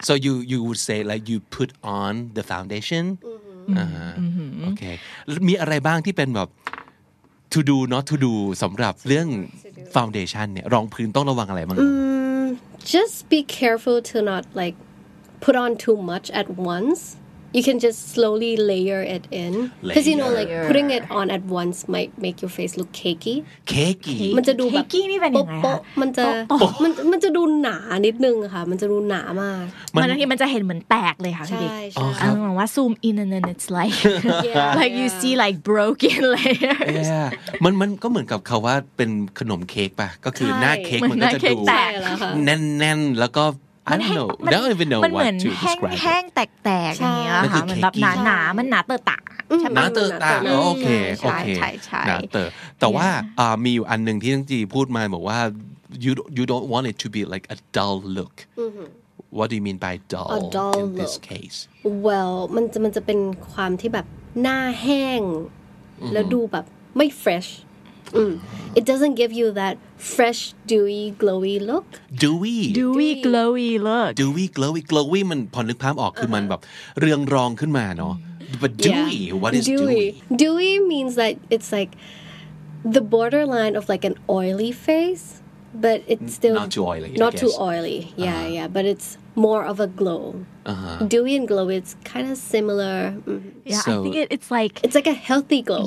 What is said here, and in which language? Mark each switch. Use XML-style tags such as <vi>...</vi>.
<en>So you would say like you put on the foundation? Okay.</en> <th>มีอะไรบ้างที่เป็นแบบ</th> <en>to do not to do</en> <th>สำหรับเรื่อง foundation เนี่ยรองพื้นต้องระวังอะไรบ้าง</th> <en>Just be careful to not like put on too much at once. You can just slowly layer it in. Because you know, like putting it on at once might make your face look cakey. Cakey.</en> <th>มันจะดูแบบ cakey นี่เป็นยังไงคะ มันจะดูหนานิดนึงค่ะมันจะดูหนามาก มันจะเห็นเหมือนแตกเลยค่ะ ใช่ ใช่ เราบอกว่า</th> <en>zoom in and then it's like like you see like broken layers. Yeah.</en> <th>มันก็เหมือนกับเขาว่าเป็นขนมเค้กป่ะก็คือหน้าเค้กมันก็จะดู แน่นๆแล้วก็</th> <en>I don't know. I don't even know what to describe.</en> <th>มันแห้งแตกๆอย่างเงี้ยค่ะมันแบบหนาๆมันหนาเตอะตะ หนาเตอะตะโอเคโอเคหนาเตอะแต่ว่ามีอยู่อันนึงที่ทั้งจีพูดมาบอกว่า</th> <en>you don't want it to be like a dull look. What do you mean by dull in this case? Well,</en> <th>มันจะเป็นความที่แบบหน้าแห้งแล้วดูแบบไม่</th> <en>freshIt doesn't give you that fresh, dewy, glowy look. Dewy, glowy look. Dewy, glowy, glowy.</en> <th>มันพอนึกภาพออกคือมันแบบเรืองรองขึ้นมาเนาะ</th> <en>But dewy, what is dewy? Dewy means that it's like the borderline of like an oily face, but it's still not too oily. Not too oily. Yeah, yeah. But it's more of a glow. Dewy and glowy, it's kind of similar. Yeah, so I think it's like... It's like a healthy glow.</en>